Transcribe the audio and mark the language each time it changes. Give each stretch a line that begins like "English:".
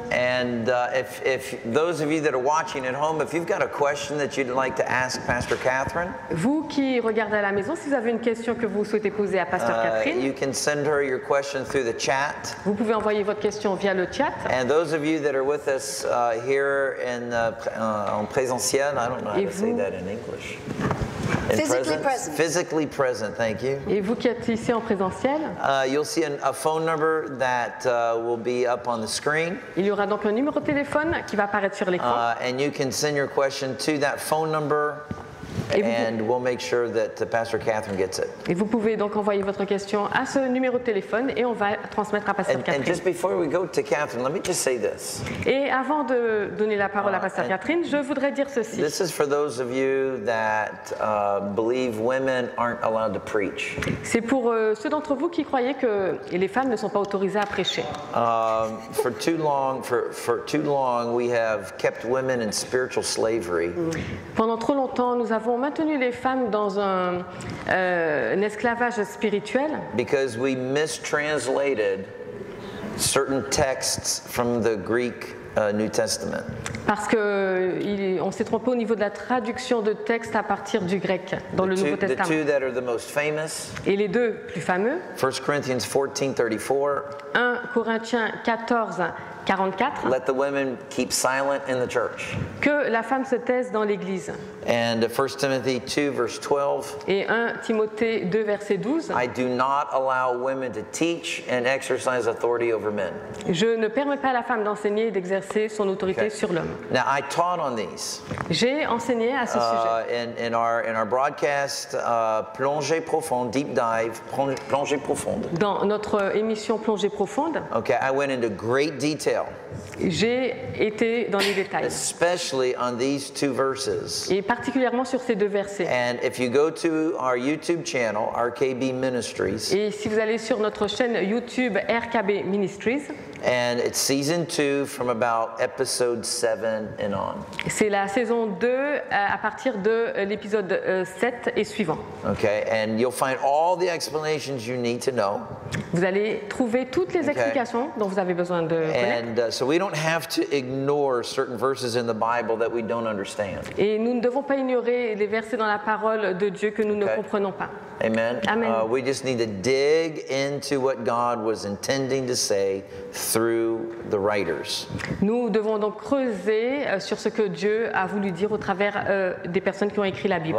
English: And if those of you that are watching at home, if you've got a question that you'd like to ask Pastor Kathryn,
French: vous qui regardez à la maison, si vous avez une question que vous souhaitez poser à Pasteur Kathryn,
English: you can send her your question through the chat.
French: Vous pouvez envoyer votre question via le chat.
English: And those of you that are with us here in
French: en présentiel,
English: I don't know how to say that in English. Physically present. Thank you.
French: Et vous qui êtes ici en présentiel?
English: You'll see a phone number that will be up on the screen.
French: Il y aura donc un numéro de téléphone qui va apparaître sur l'écran.
English: And you can send your question to that phone number, and we'll make sure that Pastor Kathryn gets it.
French: Et vous pouvez donc envoyer votre question à ce numéro de téléphone et on va transmettre à Pasteur Kathryn.
English: And just before we go to Kathryn, let me just say this.
French: Et avant de donner la parole à Pasteur Kathryn, je voudrais dire ceci.
English: This is for those of you that believe women aren't allowed to preach.
French: C'est pour ceux d'entre vous qui croyez que les femmes ne sont pas autorisées à prêcher.
English: For too long we have kept women in spiritual slavery.
French: Pendant trop longtemps nous avons maintenu les femmes dans un esclavage spirituel.
English: Because we mistranslated certain texts from the Greek New Testament.
French: Parce que on s'est trompé au niveau de la traduction de textes à partir du grec dans le Nouveau Testament.
English: The two that are the most famous.
French: Et les deux plus fameux.
English: 1 Corinthians 14:34.
French: 1 Corinthiens 14. 44.
English: Let the women keep silent in the church.
French: Que la femme se taise dans l'église.
English: And 1 Timothy 2 verse 12.
French: Et 1 Timothée 2 verset 12.
English: I do not allow women to teach and exercise authority over men.
French: Je ne permets pas à la femme d'enseigner et d'exercer son autorité sur l'homme.
English: Now I taught on these.
French: J'ai enseigné à ce sujet.
English: In our broadcast Plongée profonde, deep dive, Plongée profonde.
French: Dans notre émission Plongée profonde.
English: Okay, I went into great detail.
French: J'ai été dans les détails.
English: Especially on these two verses.
French: Et particulièrement sur ces deux versets.
English: And if you go to our YouTube channel, RKB Ministries.
French: Et si vous allez sur notre chaîne YouTube RKB Ministries.
English: And it's season 2 from about episode 7 and on.
French: C'est la saison 2 à partir de l'épisode 7 et suivant.
English: Okay, and you'll find all the explanations you need to know.
French: Vous allez trouver toutes les explications dont vous avez besoin de connaître.
English: And so we don't have to ignore certain verses in the Bible that we don't understand.
French: Et nous ne devons pas ignorer les versets dans la parole de Dieu que nous ne comprenons pas. Amen. Amen.
English: We just need to dig into what God was intending to say through the writers.
French: Nous devons donc creuser sur ce que Dieu a voulu dire au travers des personnes qui ont écrit la Bible.